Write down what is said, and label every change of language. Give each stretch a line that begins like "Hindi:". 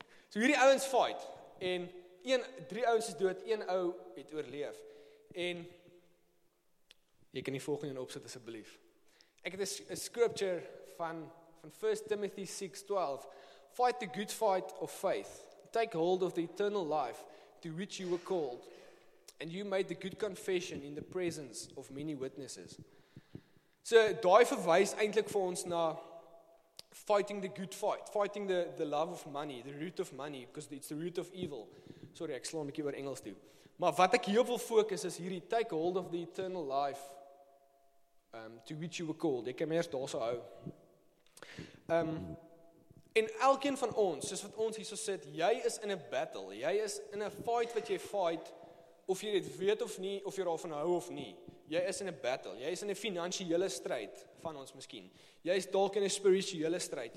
Afrikaans: So hierdie ouens fight, en drie ouens is dood, een ou het oorleef. En, jy kan die volgende opsit asseblief. Ek het 'n scripture van 1 Timothy 6:12.
English: Fight the good fight of faith. Take hold of the eternal life to which you were called. And you made the good confession in the presence of many witnesses.
Afrikaans: So, daai verwys eintlik vir ons na
English: fighting the good fight, fighting the love of money, the root of money, because it's the root of evil.
Afrikaans: Sorry, ek slaan 'n bietjie oor Engels toe. Maar wat ek hier op wil fokus is hierdie
English: take hold of the eternal life to which you were called.
Afrikaans: Ek kan eers daarso hou. En elkeen van ons, soos wat ons hierso sit, jy is in 'n battle, jy is in 'n fight wat jy fight, of jy dit weet of nie, of jy daarvan hou of nie. Jy is in 'n battle. Jy is in 'n finansiële stryd van ons miskien. Jy is dalk in 'n spirituele stryd.